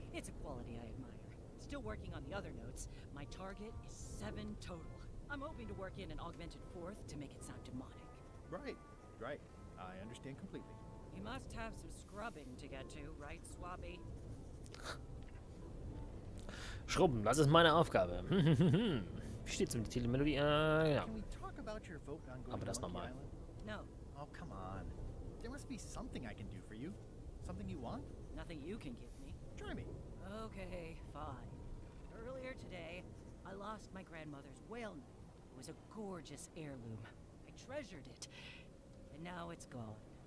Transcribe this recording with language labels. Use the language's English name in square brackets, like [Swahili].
[English] It's a quality I admire. Still working on the other notes, my target is 7 total. I'm hoping to work in an augmented fourth to make it sound demonic. Right, right. I understand completely. He must have some scrubbing to get to, right, Swabby? [German] Schrubben, das ist meine Aufgabe. Wie steht's um die Titelmelodie? Ja. Aber das nochmal. [English] No. Oh, come on. There must be something I can do for you. Something you want? Nothing you can give me. Try me. Okay, fine. Earlier today, I lost my grandmother's whale knife. It was a gorgeous heirloom. I treasured it. And now it's gone.